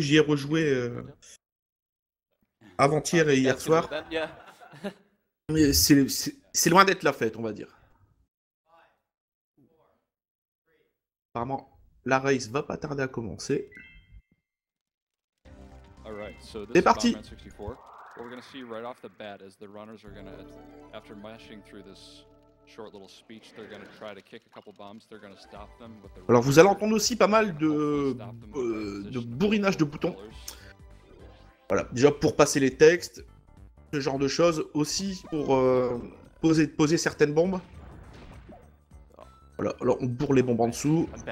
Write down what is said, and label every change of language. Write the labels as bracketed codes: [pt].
[fr] J'y ai rejoué avant-hier et hier soir. Mais c'est loin d'être la fête, on va dire. Apparemment, la race va pas tarder à commencer. C'est parti. [en] What we're going to see right off the bat is the runners are going to, after mashing through this short little speech, they're going to try to kick a couple bombs, they're going to stop them. [fr] Alors vous allez entendre aussi pas mal de bourrinage de boutons. Voilà, déjà pour passer les textes, ce genre de choses, aussi pour poser certaines bombes. Voilà, alors on bourre les bombes en dessous.